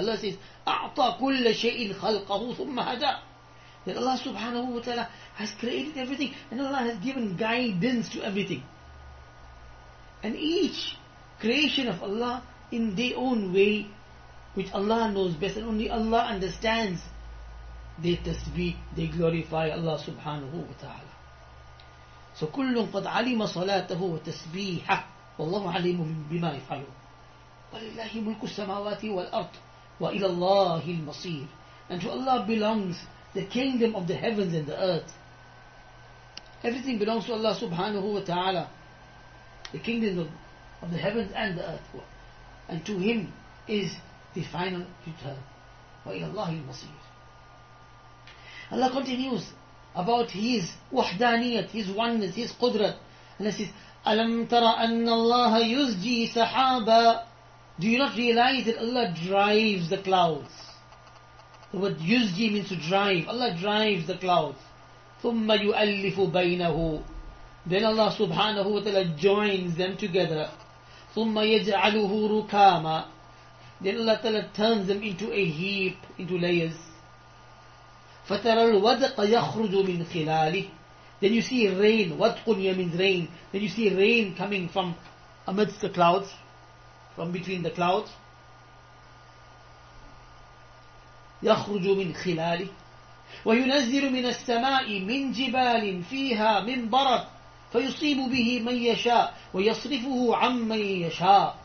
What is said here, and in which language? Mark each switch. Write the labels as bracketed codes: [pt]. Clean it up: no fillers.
[en] Allah says, [ar] أَعْطَى كُلَّ شَيْءٍ خَلْقَهُ ثُمَّ هَدَى, [en] that Allah subhanahu wa ta'ala has created everything and Allah has given guidance to everything. And each creation of Allah in their own way, which Allah knows best and only Allah understands, they tasbih, they glorify Allah subhanahu wa ta'ala. [ar] So كُلٌّ قَدْ عَلِمَ صَلَاتَهُ وَتَسْبِيحَ وَاللَّهُ عَلِيمٌ بِمَا يَفْعَلُونَ وَلِلَّهِ مُلْكُ السَّمَاوَاتِ وَالْأَرْضِ وَإِلَى اللَّهِ الْمَصِيرِ, [en] and to Allah belongs the kingdom of the heavens and the earth. Everything belongs to Allah subhanahu wa ta'ala, the kingdom of the heavens and the earth, and to Him is the final return. [ar] وَإِلَى اللَّهِ الْمَصِيرِ. [en] Allah continues about His wahdaniyat, His oneness, His qudrat, and He says, [ar] أَلَمْ تَرَ أَنَّ اللَّهَ يُزْجِي سَحَابًا, [en] do you not realize that Allah drives the clouds? The word yuzji means to drive. Allah drives the clouds. [ar] ثُمَّ يُؤَلِّفُ بَيْنَهُ, [en] then Allah subhanahu wa ta'ala joins them together. [ar] ثُمَّ يَجْعَلُهُ رُكَامًا, [en] then Allah ta'ala turns them into a heap, into layers. [ar] فَتَرَى الْوَدْقَ يَخْرُجُ مِنْ خِلَالِهِ, [en] then you see rain. وَدْقٌ means rain. Then you see rain coming from amidst the clouds, from between the clouds. [ar] يَخْرُجُ مِنْ خِلَالِهِ وَيُنَزِّلُ مِنَ السَّمَاءِ مِنْ جِبَالٍ فِيهَا مِنْ بَرَدٍ فَيُصِيبُ بِهِ مَنْ يَشَاءُ وَيَصْرِفُهُ عَمَّنْ يَشَاءُ.